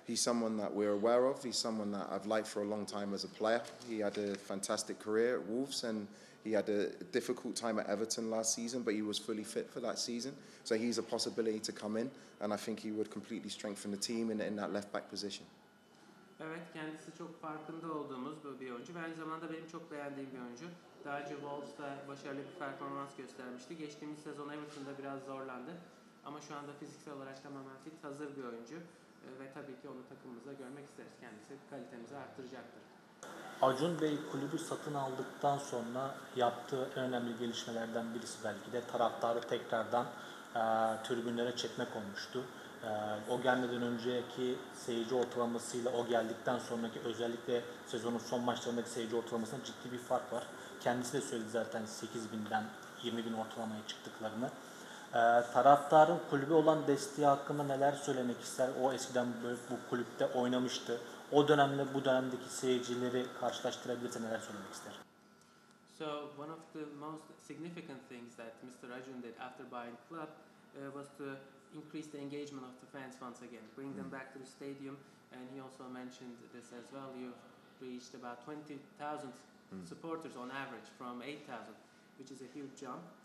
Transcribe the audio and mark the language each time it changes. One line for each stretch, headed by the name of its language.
English: He's someone that we're aware of. He's someone that I've liked for a long time as a player. He had a fantastic career at Wolves and he had a difficult time at Everton last season, but he was fully fit for that season. So he's a possibility to come in, and I think he would completely strengthen the team in that left back position.
Turkish: Evet, kendisi çok farkında olduğumuz bir oyuncu ve aynı zamanda benim çok beğendiğim bir oyuncu. Daha önce Wolves'ta başarılı bir performans göstermişti. Geçtiğimiz sezon Everton'da biraz zorlandı, ama şu anda fiziksel olarak tamamen fit, hazır bir oyuncu ve tabii ki onu takımımızda görmek isteriz. Kendisi kalitemizi artıracaktır. Acun Bey kulübü satın aldıktan sonra yaptığı en önemli gelişmelerden birisi belki de taraftarı tekrardan tribünlere çekmek olmuştu. O gelmeden önceki seyirci ortalamasıyla o geldikten sonraki özellikle sezonun son maçlarındaki seyirci ortalamasında ciddi bir fark var. Kendisi de söyledi zaten 8.000'den 20.000 ortalamaya çıktıklarını. Taraftarın kulübe olan desteği hakkında neler söylemek ister? O eskiden bu kulüpte oynamıştı. O dönemle bu dönemdeki seyircileri karşılaştırabilirse neler söylemek ister?
English: So one of the most significant things that Mr. Acun did after buying club was to increase the engagement of the fans once again, bring them back to the stadium, and he also mentioned this as well. You've reached about 20,000 supporters on average from 8,000. which is a huge jump.